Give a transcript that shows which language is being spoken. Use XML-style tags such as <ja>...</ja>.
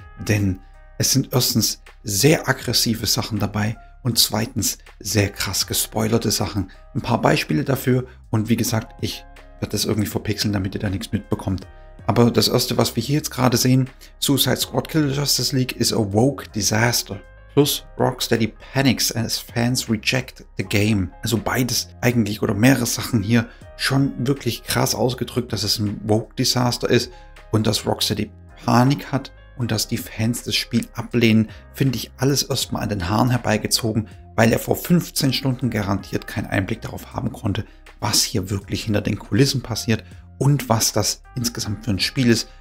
<de>Denn es sind erstens sehr aggressive Sachen dabei und zweitens sehr krass gespoilerte Sachen. Ein paar Beispiele dafür und wie gesagt, ich wird das irgendwie verpixeln, damit ihr da nichts mitbekommt. Aber das Erste, was wir hier jetzt gerade sehen,</de> <en>Suicide Squad Kill Justice League is a woke disaster. Plus Rocksteady panics as fans reject the game.</en> <de>Also beides eigentlich oder mehrere Sachen hier schon wirklich krass ausgedrückt, dass es ein</de> <en>woke disaster</en> <de>ist und dass Rocksteady Panik hat und dass die Fans das Spiel ablehnen, finde ich alles erstmal an den Haaren herbeigezogen, weil er vor 15 Stunden garantiert keinen Einblick darauf haben konnte, was hier wirklich hinter den Kulissen passiert und was das insgesamt für ein Spiel ist.</de>